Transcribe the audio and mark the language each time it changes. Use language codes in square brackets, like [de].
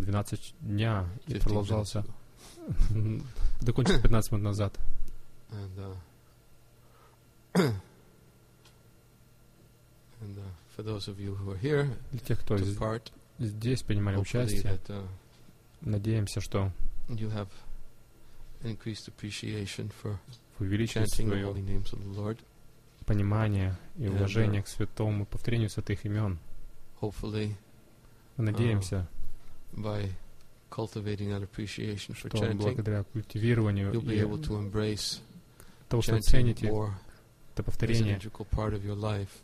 [ru] 12 дня и продолжался докончился 15 минут назад. [en] And for those of you who are here, [ru] для тех, кто здесь принимали участие, надеемся, что [en] you have increased appreciation for chanting the holy names of the Lord. [ru] Понимание и уважение к святому, повторению святых имен. [en] Hopefully, [ru] надеемся, [en] by cultivating that appreciation for chanting, [ru] благодаря культивированию, [en] you'll be able to embrace chanting more. [ru] Это повторение.